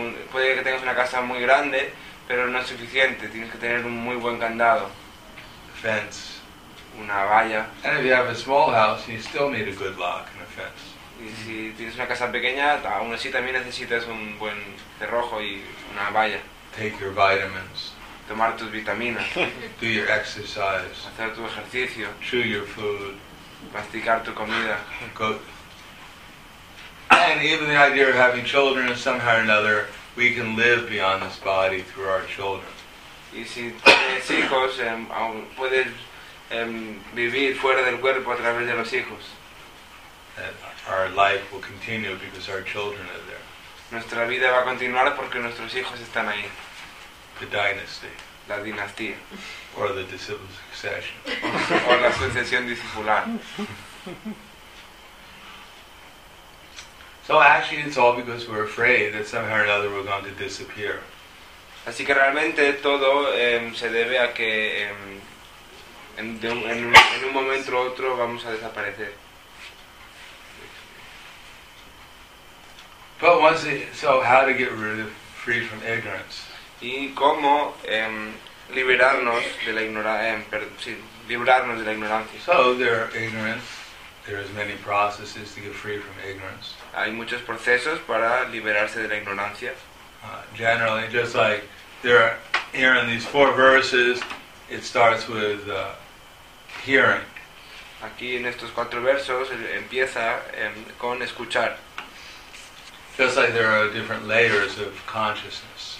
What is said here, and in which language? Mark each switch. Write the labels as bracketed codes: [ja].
[es] Puede que tengas una casa muy grande, pero no es suficiente. Tienes que tener un muy buen candado. [en] A fence. [es] Una valla. [en] And if you have a small house, you still need a good lock and a fence. [es] Y si tienes una casa pequeña, aún así también necesitas un buen cerrojo y una valla. [en] Take your vitamins. [es] Tomar tus vitaminas. [en] Do your exercise. [es] Hacer tu ejercicio. [en] Chew your food. [es] Masticar tu comida. [en] Go. And even the idea of having children is somehow or another, we can live beyond this body through our children. [es] Y si tienes hijos, puedes vivir fuera del cuerpo a través de los hijos. [en] And our life will continue because our children are there. [es] Nuestra vida va a continuar porque nuestros hijos están ahí. [en] The dynasty. [es] La dinastía. [en] Or the disciple succession. [es] O la sucesión discipular. [en] So actually it's all because we're afraid that somehow or another we're going to disappear. [es] Así que realmente todo se debe a que en un momento u otro vamos a desaparecer. [en] But once so how to get rid of free from ignorance? [es] Y cómo liberarnos de la librarnos de la ignorancia. [en] So there are ignorance. There is many processes to get free from ignorance. [es] Hay muchos procesos para liberarse de la ignorancia. [en] Generally, just like there are, here in these four verses, it starts with hearing. [es] Aquí en estos cuatro versos empieza con escuchar. [en] Just like there are different layers of consciousness.